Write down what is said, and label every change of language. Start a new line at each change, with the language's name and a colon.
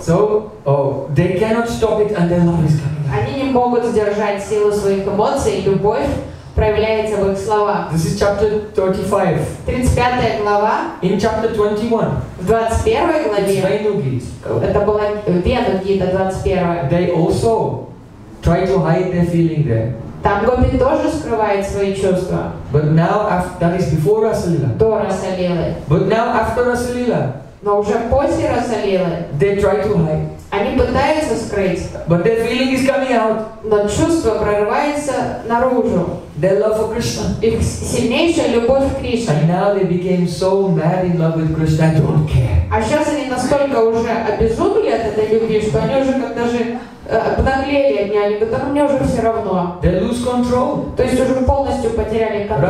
English: So, they cannot stop it and their love is coming.
Russian: Они не могут сдержать силу своих эмоций и любовь. Проявляется в их словах.
English: This is chapter 35.
Russian: 35 глава.
English: In chapter 21.
Russian: В 21 главе.
English: It's Venu Geet.
Russian: Это была Venu Geet 21.
English: They also try to hide their feeling there.
Russian: Там гопи тоже скрывает свои чувства.
English: But now after, that is before Rasalila.
Russian: До Rasalila.
English: But now after Rasalila.
Russian: Но уже после Rasalila.
English: They try to hide.
Russian: Они пытаются скрыть.
English: But their feeling is coming out.
Russian: Но чувство прорывается наружу.
English: Their love for Krishna.
Russian: Их сильнейшая любовь к Кришне.
English: And now they became so mad in love with Krishna, they don't care.
Russian: А сейчас они настолько уже обезумели от этой любви, что они уже как даже обнаглели от нее. Они говорят, мне уже все равно.
English: They lose control.
Russian: То есть уже полностью потеряли контроль.